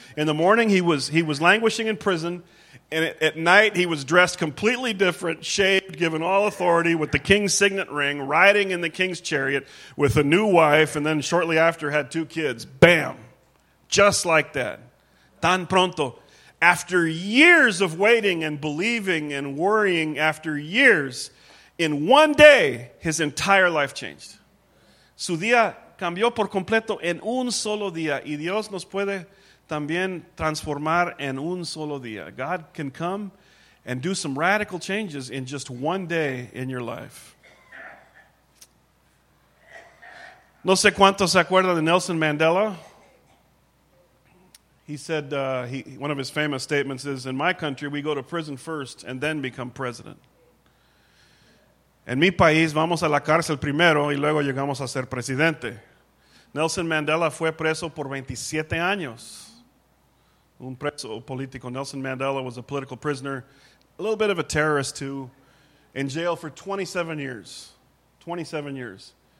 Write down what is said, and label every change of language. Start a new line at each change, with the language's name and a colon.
English: In the morning, he was languishing in prison. And at night, he was dressed completely different, shaved, given all authority, with the king's signet ring, riding in the king's chariot with a new wife, and then shortly after had two kids. Bam! Just like that.
Spanish: Tan pronto.
English: After years of waiting and believing and worrying, after years, in one day, his entire life changed.
Spanish: Su día cambió por completo en un solo día, y Dios nos puede también transformar en un solo día.
English: God can come and do some radical changes in just one day in your life.
Spanish: No sé cuántos se acuerdan de Nelson Mandela.
English: He said, one of his famous statements is, in my country, we go to prison first and then become president.
Spanish: En mi país vamos a la cárcel primero y luego llegamos a ser presidente. Nelson Mandela fue preso por 27 años. Un preso político.
English: Nelson Mandela was a political prisoner, a little bit of a terrorist too, in jail for 27 years. 27 years.